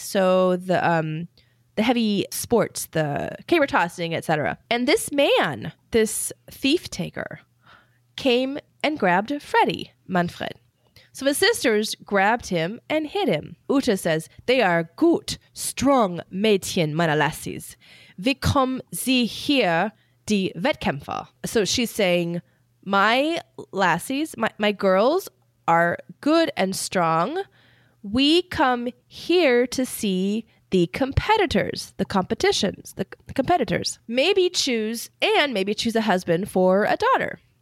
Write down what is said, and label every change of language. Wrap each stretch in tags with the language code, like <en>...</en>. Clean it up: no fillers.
<en>So the heavy sports, the caber tossing, etc. And this man, this thief taker, came and grabbed Freddy Manfred. So his sisters grabbed him and hit him. Ute says, they are</en> <de>gut,</de> <en>strong</en> <de>Mädchen, meine</de> <en>Lassies.</en> <de>Wie kommen sie hier, die Wettkämpfer?</de> <en>So she's saying, my lassies, my girls are good and strong. We come here to see the competitors, the competitors. Maybe choose a husband for a daughter.</en>